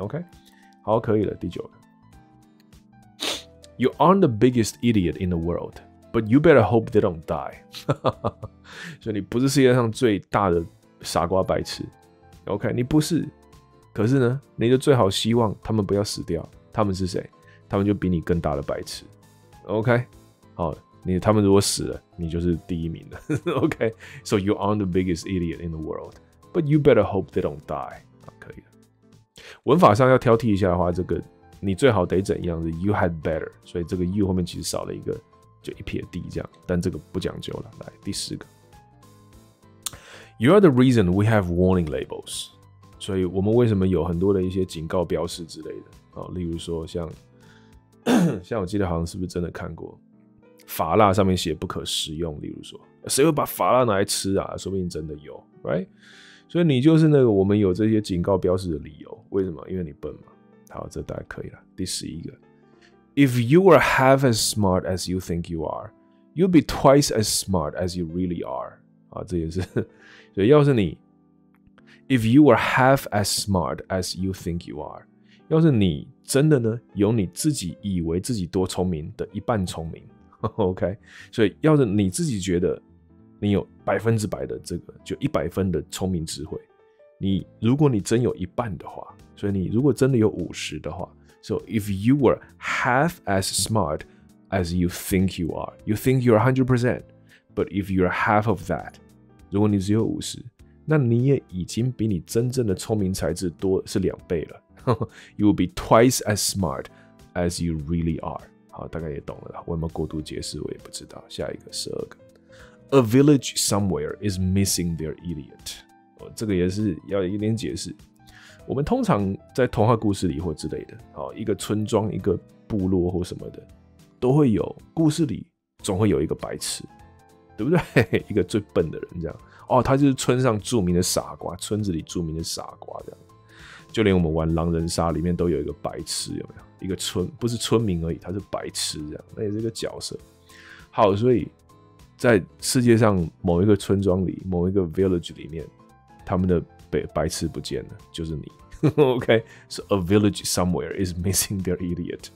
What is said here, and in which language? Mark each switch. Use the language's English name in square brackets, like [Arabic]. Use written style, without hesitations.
[Chinese] OK， 好，可以了。第九个 [English] ，You aren't the biggest idiot in the world, but you better hope they don't die 。 [Chinese] 所以你不是世界上最大的傻瓜白痴 ，OK， 你不是，可是呢，你就最好希望他们不要死掉。他们是谁？他们就比你更大的白痴。OK， 好，他们如果死了，你就是第一名了。 [English] OK， so you aren't the biggest idiot in the world, but you better hope they don't die。 [Chinese] 可以了。文法上要挑剔一下的话，这个你最好得怎样是 [English] you had better， [Chinese] 所以这个 you 后面其实少了一个，就一撇 d 这样。但这个不讲究了。来第十个 ， [English] You are the reason we have warning labels。 [Chinese] 所以我们为什么有很多的一些警告标识之类的？例如说像我记得好像是不是真的看过法蜡上面写不可食用，例如说谁会把法蜡拿来吃啊，说不定真的有 right， 所以你就是那个我们有这些警告标识的理由，为什么？因为你笨嘛。好，这大概可以了。 [English] 第十一个 If you were half as smart as you think you are, you'd be twice as smart as you really are。 [Chinese] 好，这也是，所以要是你 [English] If you were half as smart as you think you are， [Chinese] 要是你真的呢，有你自己以为自己多聪明的一半聪明 ，OK， 所以要是你自己觉得你有百分之百的这个，就一百分的聪明智慧，你如果你真有一半的话，所以你如果真的有五十的话 ， [English] So if you were half as smart as you think you are, you think you're 100%, but if you're half of that， [Chinese] 如果你只有五十，那你也已经比你真正的聪明才智多是两倍了。 [English] You will be twice as smart as you really are. [Chinese] 好，大概也懂了啦。我有没有过度解释，我也不知道。下一个，十二个。 [English] A village somewhere is missing their idiot. [Chinese] 这个也是要一点解释。我们通常在童话故事里或之类的，好，一个村庄、一个部落或什么的，都会有故事里总会有一个白痴，对不对？一个最笨的人这样。哦，他就是村上著名的傻瓜，村子里著名的傻瓜这样。就连我们玩狼人杀里面都有一个白痴，有没有？一个村不是村民而已，他是白痴这样，那也是一个角色。好，所以在世界上某一个村庄里，某一个 village 里面，他们的白痴不见了，就是你。 [English] OK， so a village somewhere is missing their idiot。